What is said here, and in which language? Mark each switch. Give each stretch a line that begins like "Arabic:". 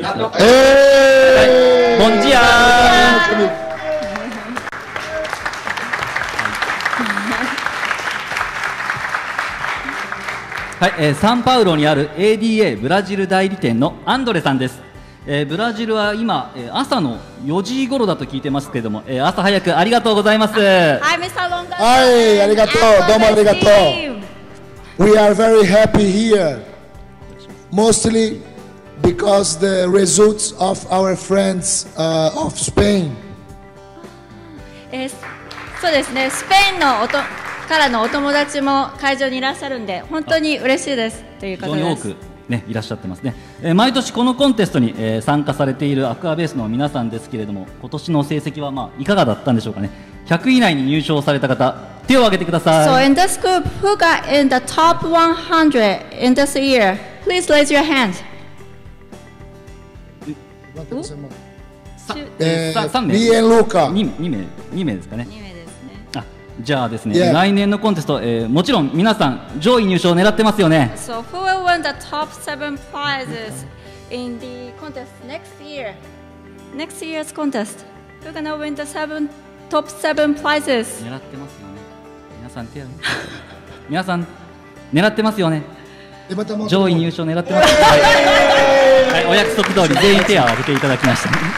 Japanese: ボンジアー。はい、サンパウロにある ADA ブラジル代理店のアンドレさんです。ブラジルは今、朝の4時頃だと聞いてますけれども、朝早くありがとうございます。はい、ミスターロンガさん、はい、ありがとう、どうもありがとう。
English: We are very happy here mostly because the results of our friends、of Spain、
Japanese: そうですね、スペインのからのお友達も会場にいらっしゃるんで本当に嬉しいです、ということです。非常に多く、ね、いらっしゃってますね。毎年このコンテストに、参加されているアクアベースの皆さんですけれども、今年の成績は、まあ、いかがだったんでしょうかね。 100以内に入賞された方、手を挙げてください。
English: So in this group, who got in the top 100 in this year? Please raise your hand.
Japanese: 3名、リエン・ローカ 2名ですかね。 2名ですね。あ、じゃあですね、yeah. 来年のコンテスト、もちろん皆さん上位入賞を狙ってますよね。
English: So who will win the top 7 prizes in the contest next year? Next year's contest, who gonna win the top 7 prizes?
Japanese: 狙ってますよね、皆さん手を皆さん狙ってますよね、また上位入賞狙ってます、はい、お約束通り全員手を挙げていただきました。